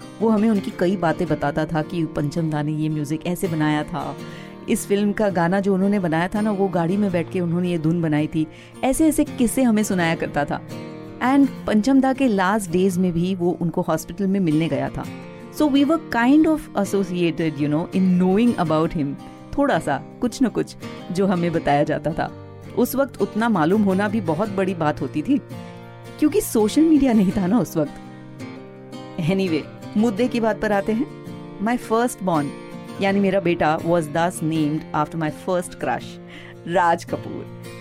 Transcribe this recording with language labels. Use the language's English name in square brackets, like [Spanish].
[Hindi] वो हमें उनकी कई बातें बताता था कि पंचम दा ने ये म्यूजिक ऐसे बनाया था, इस फिल्म का गाना जो उन्होंने बनाया था ना, वो गाड़ी में बैठ के उन्होंने ये धुन बनाई थी, ऐसे ऐसे किस्से हमें सुनाया करता था। एंड पंचम दा के लास्ट डेज में भी वो उनको हॉस्पिटल में मिलने गया था। [English] So we were kind of associated, you know, in knowing about him. [Hindi] थोड़ा सा, कुछ न कुछ, जो हमें बताया जाता था। उस वक्त उतना मालूम होना भी बहुत बड़ी बात होती थी, क्योंकि सोशल मीडिया नहीं था ना उस वक्त। Anyway, मुद्दे की बात पर आते हैं। [English] My first born, [Hindi] यानी मेरा बेटा [English] Was thus named after my first crush Raj Kapoor.